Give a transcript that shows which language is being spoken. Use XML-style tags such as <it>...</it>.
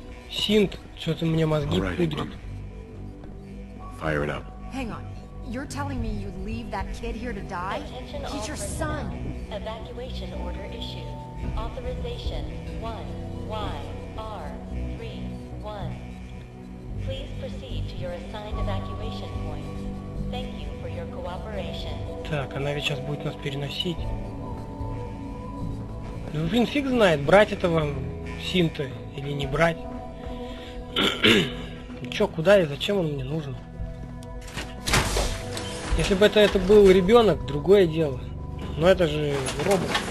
<ru>Синт, что-то мне мозги пудрит.</ru> <en>All right, fire it up. Hang on. You're telling me you'd leave that kid here to die? He's your son. Evacuation order issued. Authorization 1YR31. Please proceed to your assigned evacuation point. Thank you for your cooperation.</en> <ru>Так, она ведь сейчас будет нас переносить. Ну, блин, фиг знает, брать этого синта или не брать. Чё, куда и зачем он мне нужен? Если бы это был ребенок, другое дело. Но это же робот.</ru>